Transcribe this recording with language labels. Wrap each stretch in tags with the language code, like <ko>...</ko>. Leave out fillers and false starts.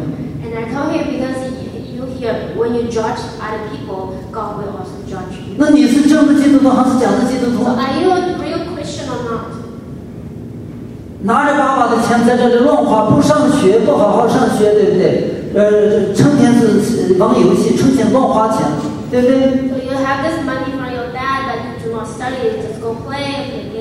<en>And I told him because you hear when you judge other people, God will also judge you.</en> <zh>那你是真的基督徒还是假的基督徒</zh> <en>？Are you a real Christian or not?</en> <zh>拿着爸爸的钱在这里乱花，不上学，不好好上学，对不对？成天是玩游戏，成天乱花钱，对不对</zh> <en>？So you have this money from your dad, but you do not study, you just go play.</en>